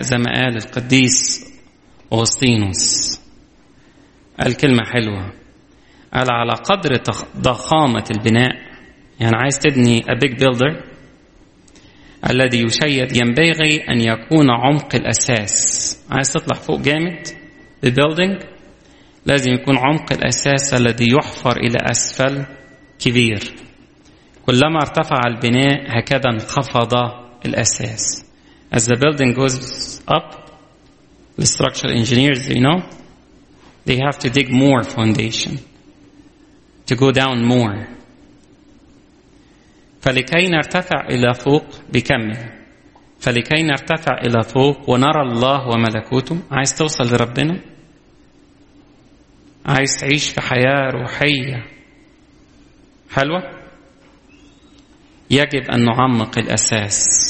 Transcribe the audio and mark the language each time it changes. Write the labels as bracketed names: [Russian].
[Arabic] زي ما قال القديس أغسطينوس، قال كلمة حلوة، قال على قدر ضخامة البناء، يعني عايز تبني [English] a big builder، [Arabic] الذي يشيد ينبغي أن يكون عمق الأساس. عايز تطلع فوق جامد ببيلدينج، لازم يكون عمق الأساس الذي يحفر إلى أسفل كبير. كلما ارتفع البناء هكذا انخفض الأساس. [English] As the building goes up, the structural engineers, you know, they have to dig more foundation to go down more. [Arabic] فلكي نرتفع إلى فوق بكمل، فلكي نرتفع إلى فوق ونرى الله وملكوته. عايز توصل لربنا؟ عايز تعيش في حياة روحية حلوة؟ يجب أن نعمق الأساس.